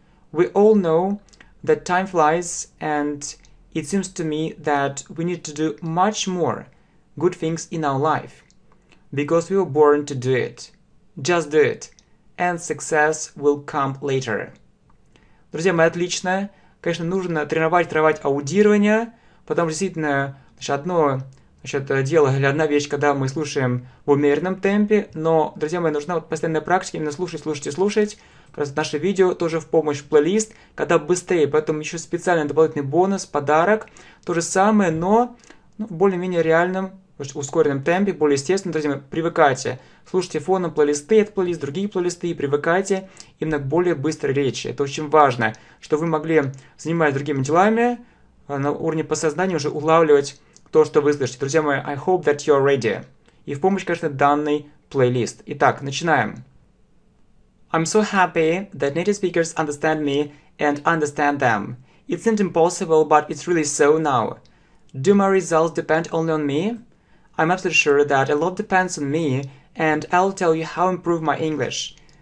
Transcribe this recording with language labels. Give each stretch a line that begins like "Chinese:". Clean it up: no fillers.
English: We all know that time flies and it seems to me that we need to do much more good things in our life because we were born to do it. Just do it and success will come later.
Russian: Друзья мои, отлично. Конечно, нужно тренировать аудирование, потому что действительно, одна вещь, когда мы слушаем в умеренном темпе, но, друзья мои, нужна постоянная практика, именно слушать. Как раз наше видео тоже в помощь в плейлист, когда быстрее, поэтому еще специальный дополнительный бонус, подарок, то же самое, но в более-менее реальном, ускоренном темпе, более естественно, друзья мои, привыкайте. Слушайте фоном плейлисты, этот плейлист, другие плейлисты и привыкайте именно к более быстрой речи. Это очень важно, что вы могли, занимаясь другими делами, на уровне подсознания уже улавливать то, что вы слышите. Друзья мои,
English: I hope that you're ready.
Russian: И в помощь, конечно, данный плейлист. Итак, начинаем.
English: I'm so happy that native speakers understand me and understand them. It seemed impossible, but it's really so now. Do my results depend only on me? I'm absolutely sure that a lot depends on me, and I'll tell you how I improve my English.